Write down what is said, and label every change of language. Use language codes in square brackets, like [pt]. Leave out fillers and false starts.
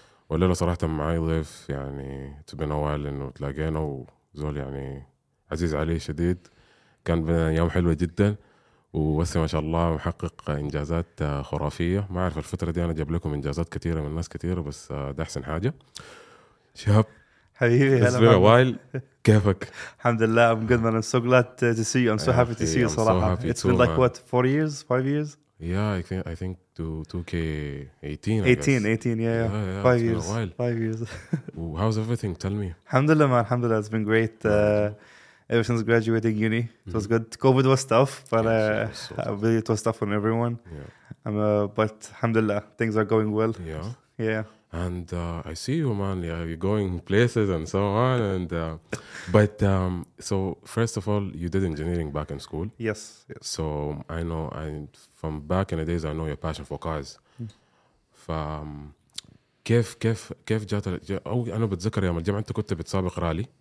[ar] والليلة صراحة معي ضيف يعني تبين أول إنه تلاقينا، وزول يعني عزيز عليه شديد، كان بنا يوم حلوة جدا، وبس ما شاء الله محقق إنجازات خرافية. ما أعرف الفترة دي أنا جاب لكم إنجازات كثيرة من ناس كثيرة، بس ده أحسن حاجة. شهاب حبيبي، هلا، كيفك؟ [en] الحمد لله، I'm good man. I'm so glad to see you. I'm so happy to see you. صراحة it's been like what, 4 years, 5 years? Yeah, I think to 2K18. 18, yeah, yeah. 5 years. 5 years. How's everything? Tell me. الحمد لله man. الحمد لله. It's been great. Ever since graduating uni, it was good. COVID was tough, but it was tough on everyone. Yeah. But الحمد لله, things are going well. Yeah. Yeah. And I see you, man. Yeah, you're going places and so on. And so first of all, you did engineering back in school. Yes. So I know, and from back in the days, I know your passion for cars. [ar] From كيف جات أو أنا بتذكر يوم الجمعة أنت كنت بتسابق رالي.